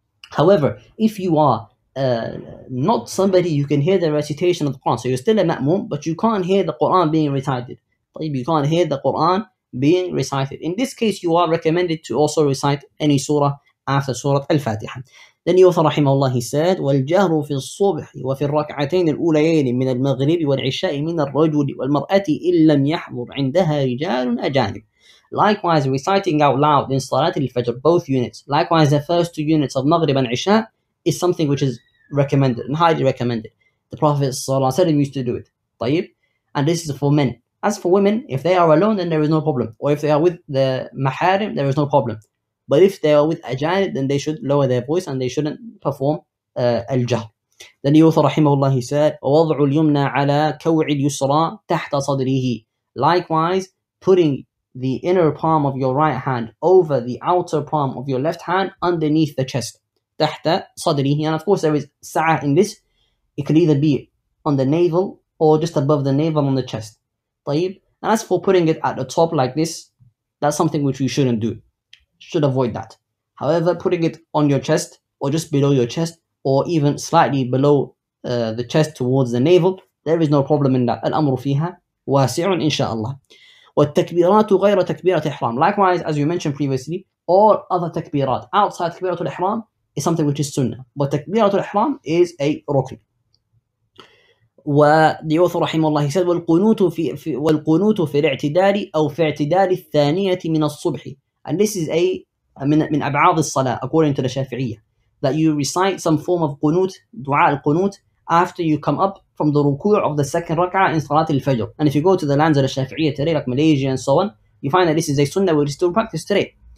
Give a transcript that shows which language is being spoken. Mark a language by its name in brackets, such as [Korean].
[English] However, if you are not somebody who can hear the recitation of the Quran, so you're still a ma'mum, but you can't hear the Quran being recited. You can't hear the Quran being recited. In this case, you are recommended to also recite any surah after surah al-Fatiha. Then the author, rahimahullah, he said, [Arabic] وَالْجَهْرُ فِي الصُّبْحِ وَفِي الرَّكْعَتَيْنِ الْأُولَيَيْنِ مِنَ الْمَغْرِبِ وَالْعِشَاءِ مِنَ الرَّجُلِ وَالْمَرْأَةِ إِلَّمْ يَحْضُرْ عِنْدَهَا رِجَالٌ أَجَانِبٌ. [English] Likewise, reciting out loud in Salat al-Fajr, both units. Likewise, the first two units of Maghrib and Isha is something which is recommended and highly recommended. The Prophet ﷺ used to do it. طيب. And this is for men. As for women, if they are alone, then there is no problem. Or if they are with the Maharim, there is no problem. But if they are with Ajanib, then they should lower their voice and they shouldn't perform Al-Jahr. Then the author, rahimahullah, he said, [Arabic] وَوَضْعُ الْيُمْنَى عَلَى كَوْعِ الْيُسْرَى تَحْتَ صَدْرِهِ. [English] Likewise, putting the inner palm of your right hand over the outer palm of your left hand underneath the chest. [Arabic] تَحْتَ صَدْرِهِ. [English] And of course, there is sa'a in this. It could either be on the navel or just above the navel on the chest. طيب. And as for putting it at the top like this, that's something which we shouldn't do. Should avoid that. However, putting it on your chest or just below your chest or even slightly below the chest towards the navel, there is no problem in that. [Arabic] الأمر فيها واسع إن شاء الله. والتكبيرات غير تكبيرات إحرام. [English] Likewise, as you mentioned previously, all other takbirat outside takbirat al-ihram is something which is sunnah. But takbirat al-ihram is a rukn. The author, rahimahullah, he said, [Arabic] والقنوت في الاعتدال أو في اعتدال الثانية من الصبح. [English] And this is a min abad al-salah, according to the Shafi'iyya, that you recite some form of qunut, dua al-qunut, after you come up from the ruku' of the second rak'ah in Salat al-Fajr. And if you go to the lands of the Shafi'iyya today, like Malaysia and so on, you find that this is a sunnah which is still practiced today.